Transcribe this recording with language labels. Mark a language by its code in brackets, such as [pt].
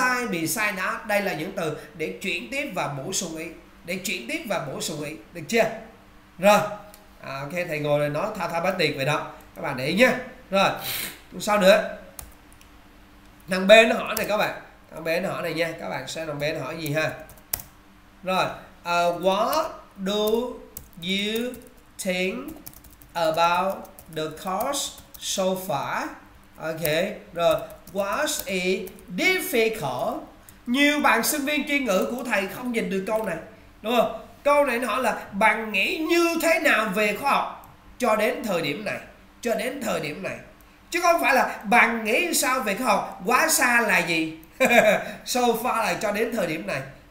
[en] Beside that, [vi] đây là những từ để chuyển tiếp và bổ sung ý. Để chuyển tiếp và bổ sung ý. Được chưa? Rồi. Ok, thầy ngồi rồi nói thao thao bát tiệt vậy đó. Các bạn để ý nhé. Rồi. Sao nữa? Thằng B nó hỏi này các bạn. Thằng B nó hỏi này nha. Các bạn xem thằng B nó hỏi gì ha. Rồi. [en] What do you think about the course so far? Ok. Rồi. What is difficult? [vi] Nhiều bạn sinh viên chuyên ngữ của thầy không nhìn được câu này. Đúng không? Câu này nó hỏi là bạn nghĩ như thế nào về khoa học cho đến thời điểm này, cho đến thời điểm này, chứ không phải là bạn nghĩ sao về khoa học, quá xa là gì so far là cho đến thời điểm này.